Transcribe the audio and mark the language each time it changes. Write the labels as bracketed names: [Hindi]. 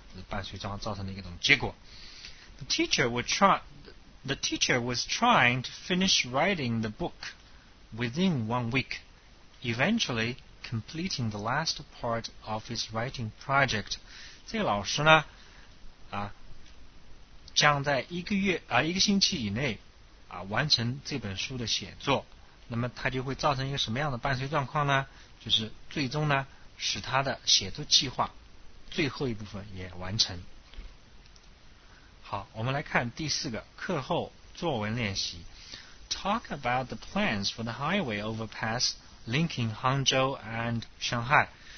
[Chinese] 这是伴随状态造成的一种结果。 [English] The teacher was trying to finish writing the book within 1 week， eventually completing the last part of his writing project。 [Chinese] 这个老师呢将在一个月一个星期以内完成这本书的写作，那么它就会造成一个什么样的伴随状况呢？就是最终呢，使它的写作计划最后一部分也完成。好，我们来看第四个课后作文练习。 [English] Talk about the plans for the highway overpass linking Hangzhou and Shanghai.